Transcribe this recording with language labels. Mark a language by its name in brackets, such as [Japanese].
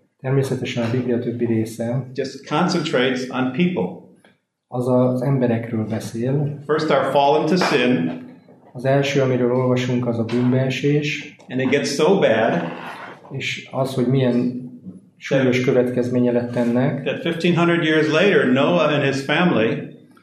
[Hungarian] Természetesen a Biblia többi része [English] just concentrates on people. [Hungarian] Az az emberekről beszél. [English] First our fall into sin. [Hungarian] Az első, amiről olvasunk, az a bűnbeesés. [English] And it gets so bad. [Hungarian] És az, hogy milyen súlyos következménye lett ennek. [English] That 1500 years later, Noah and his family.